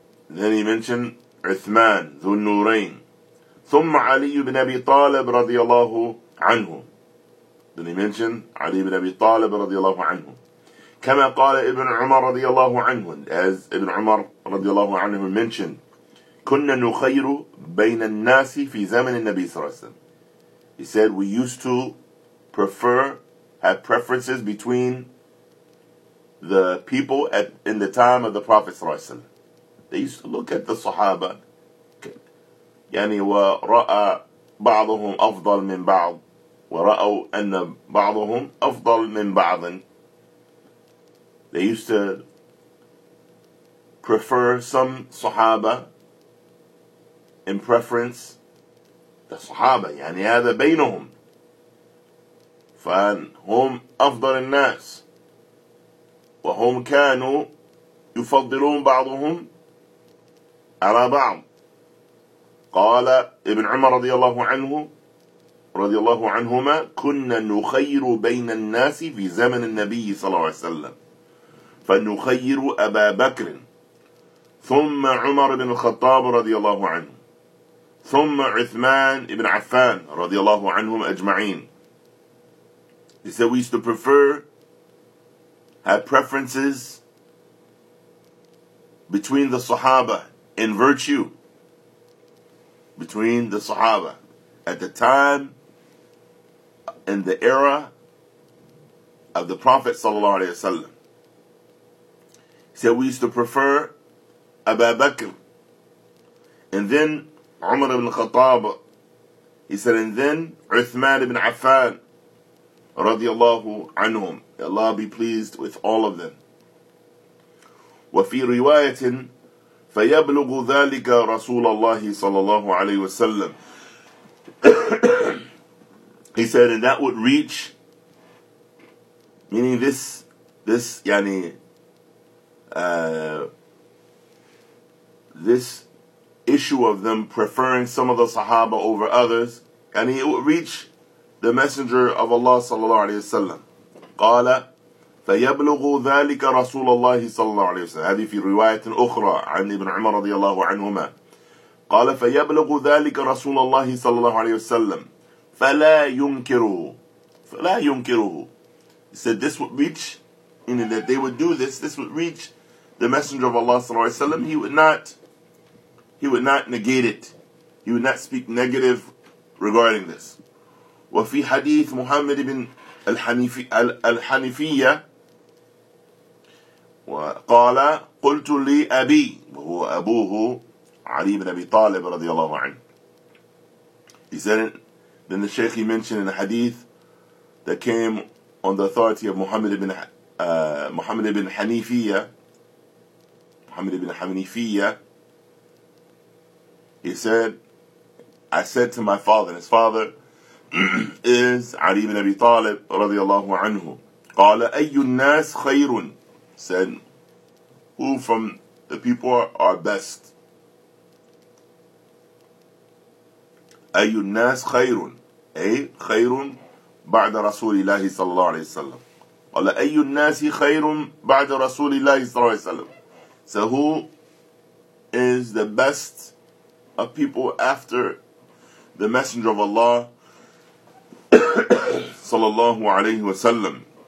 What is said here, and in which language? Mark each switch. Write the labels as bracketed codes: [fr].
[en] Then he mentioned [ar] عثمان ذو النورين. ثم علي بن أبي طالب رضي الله عنه. [en] Then he mentioned [ar] علي بن أبي طالب رضي الله عنه. كما قال ابن عمر رضي الله عنه. [en] As ابن عمر رضي الله عنه mentioned, [ar] كنا نخير بين الناس في زمن النبي صلى الله عليه وسلم. [en] He said we used to prefer, have preferences between the people at in the time of the Prophet ﷺ. They used to look at the Sahaba. [ar] يعني ورأى بعضهم أفضل من بعض ورأوا أن بعضهم أفضل من بعض. [en] They used to prefer some Sahaba in preference the Sahaba. [ar] يعني هذا بينهم فهم أفضل الناس وهم كانوا يفضلون بعضهم على بعض. قال ابن عمر رضي الله عنه رضي الله عنهما كنا نخير بين الناس في زمن النبي صلى الله عليه وسلم فنخير أبا بكر ثم عمر بن الخطاب رضي الله عنه ثم عثمان بن عفان رضي الله عنهم أجمعين. [en] He said we used to prefer, had preferences between the Sahaba in virtue, between the Sahaba at the time in the era of the Prophet sallallahu alaihi wasallam. He said we used to prefer Abu Bakr, and then Umar ibn Khattab. He said and then Uthman ibn Affan رضي الله عنهم. Allah be pleased with all of them. [ar] وفي رواية فيبلغ ذلك رسول الله صلى الله عليه وسلم. [en] He said, and that would reach, meaning this يعني this issue of them preferring some of the Sahaba over others, يعني it would reach the Messenger of Allah صلى الله عليه وسلم. [ar] قال فيبلغ ذلك رسول الله صلى الله عليه وسلم. هذه في رواية أخرى عن ابن عمر رضي الله عنهما. قال فيبلغ ذلك رسول الله صلى الله عليه وسلم فلا ينكره. فلا ينكره. [en] He said this would reach, meaning that they would do this, this would reach the Messenger of Allah صلى الله عليه وسلم. He would not negate it. He would not speak negative regarding this. [ar] وفي حديث محمد بن الحنفية وقال قلت لي أبي وهو أبوه علي بن أبي طالب رضي الله عنه. [en] He said, then the Shaykh, he mentioned in a hadith that came on the authority of Muhammad ibn Hanifiya. He said, I said to my father, and his father is Ali ibn Abi Talib رضي الله عنه. [ar] قال أي الناس خير. [en] Said, who from the people are best? [ar] أي الناس خير. أي خير بعد رسول الله صلى الله عليه وسلم. قال أي الناس خير بعد رسول الله صلى الله عليه وسلم. [en] So who is the best of people after the Messenger of Allah صلى الله عليه وسلم.